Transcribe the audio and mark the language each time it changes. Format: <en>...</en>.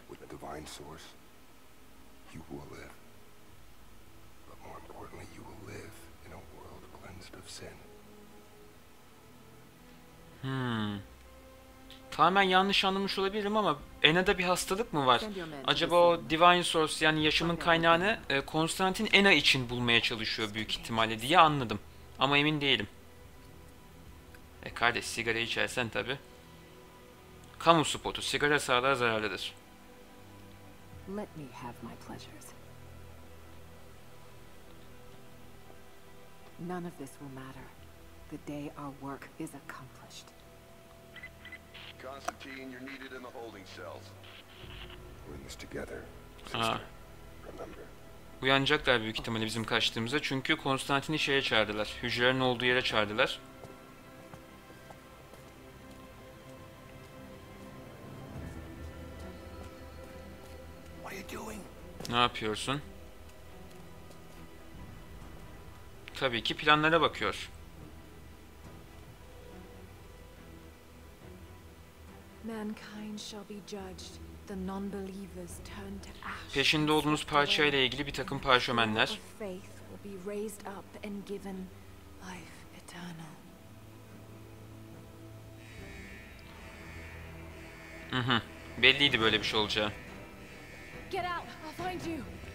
<en>Divine source, you will live. But more importantly, you will live in a world cleansed of sin.</en> <tr>Tamamen yanlış anlamış olabilirim ama Ena'da bir hastalık mı var? Acaba o Divine Source, yani yaşamın kaynağını Konstantin Ena için bulmaya çalışıyor büyük ihtimalle diye anladım. Ama emin değilim. Kardeş, sigara içersen tabi. Kamu spotu, sigara sağlığa zararlıdır.</tr> <en>Let me have my pleasures. None of this will matter. The day our work is accomplished. Constantine, you're needed in the holding cells. We're in this together, sister. Remember.</en> <tr>Uyanacaklar büyük ihtimalle bizim kaçtığımıza, çünkü Konstantin'i şeye çağırdılar. Hücrelerin olduğu yere çağırdılar. Ne yapıyorsun? Tabii ki planlara bakıyor.</tr> <en>Mankind shall be judged. The non-believers turned to ash.</en> <tr>Peşinde olduğumuz parça ile ilgili bir takım parşömenler.</tr> <en>Faith will be raised up and given life eternal. Hı.</en> <tr>Belliydi böyle bir şey olacağı.</tr> <en>Get out. I'll find you.</en>